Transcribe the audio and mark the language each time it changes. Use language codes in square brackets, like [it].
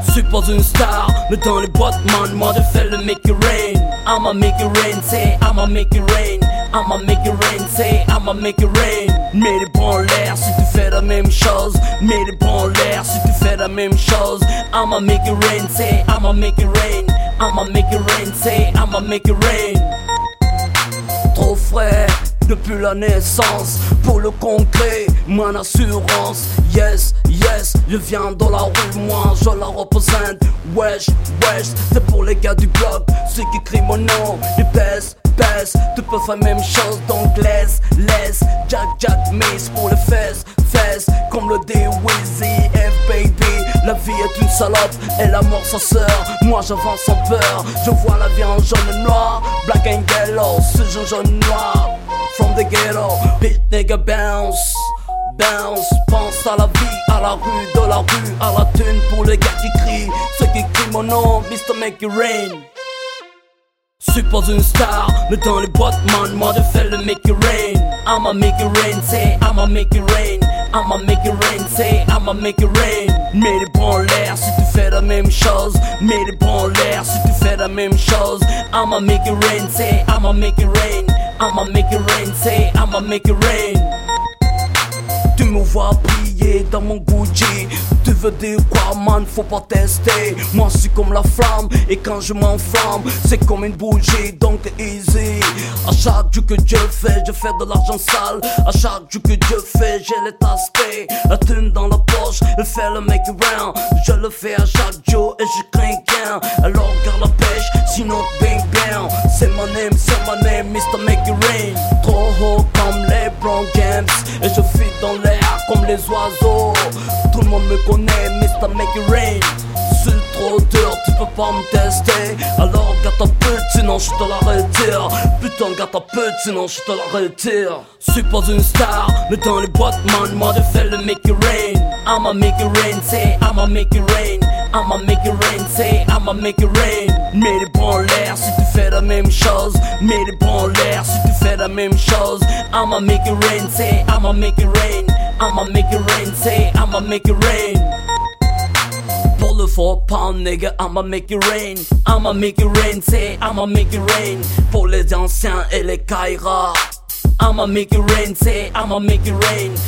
[fr] pas une star, mais dans les boîtes, man, moi je fais le make it rain. [en] I'ma make it rain, say, I'ma make it rain. I'ma make it rain, say, I'ma make it rain. [fr] Mets les bras en l'air si tu fais la même chose. Mets les bras en l'air si tu fais la même chose. [en] I'ma make it rain, say, I'ma make it rain. I'ma make it rain, say, I'ma make it rain. [fr] Trop frais depuis la naissance, pour le concret, mon assurance. Yes, yes, je viens dans la rue, moi je la représente. Wesh, wesh, c'est pour les gars du bloc, ceux qui crient mon nom. Les pèses, pèses, tu peux faire même chose. Donc laisse, laisse, Jack, Jack, Mace pour les fesses, fesses. Comme le dit Wizzy, F baby. La vie est une salope, et la mort sa sœur. Moi j'avance sans peur, je vois la vie en jaune et noir. Black and yellow, ce jaune, jaune noir. [en] From the ghetto, bitch nigga bounce, bounce. [fr] Pense à la vie, à la rue, de la rue, à la thune pour les gars qui crient. Ceux qui crient mon nom, Mr. Make It Rain. Suis pas une star, mais dans les boîtes, man, moi je fais le make it rain. [en] I'ma make it rain, say, I'ma make it rain. I'ma make it rain, say, I'ma make it rain. [fr] Mets les bras en l'air si tu fais la même chose. Mets les bras en l'air si tu fais la même chose. [en] I'ma make it rain, say, I'ma make it rain. I'ma make it rain, say, I'ma make it rain. [fr] Tu me vois prier dans mon Gucci. Tu veux dire quoi, man, faut pas tester. Moi je suis comme la flamme, et quand je m'enflamme, c'est comme une bougie, donc easy. A chaque jour que je fais de l'argent sale. A chaque jour que je fais, j'ai les tastés. La thune dans la poche, elle fait le make it rain. Je le fais à chaque jour et je crains qu'un. Alors garde la pêche, sinon bing bang. C'est ma name, Mr. Make It Rain. Trop haut comme les LeBron James, et je fuis dans l'air comme les oiseaux. Tout le monde me connaît, Mr. Make It Rain. C'est trop dur, tu peux pas me tester. Alors gâte ta pute, sinon je te la retire. Putain, gâte ta pute, sinon je te la retire. Suis pas une star, mais dans les boîtes, man, moi je fais le make it rain. [en] I'ma make it rain, say, I'ma make it rain. I'ma make it rain, say, I'ma make it rain. [fr] Mets les bras en l'air si tu fais la même chose. Mets les bras en l'air si tu fais la même chose. [en] I'ma make it rain, say, I'ma make it rain. I'ma make it rain, say, I'ma make it rain. Pour le faux pas, nigga, I'ma make it rain. I'ma make it rain, say, I'ma make it rain. Pour les anciens et les Kaira, I'ma make it rain, say, I'ma make it rain.